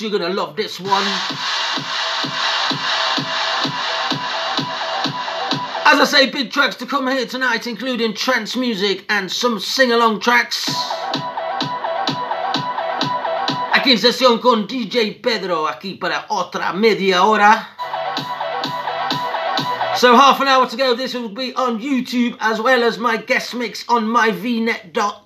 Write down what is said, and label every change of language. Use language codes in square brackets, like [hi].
[en] You're gonna love this one. As I say, big tracks to come here tonight, including trance music and some sing-along tracks. [es] Aquí en sesión con DJ Pedro, aquí para otra media hora. [en] So half an hour to go. This will be on YouTube as well as my guest mix on my VNet.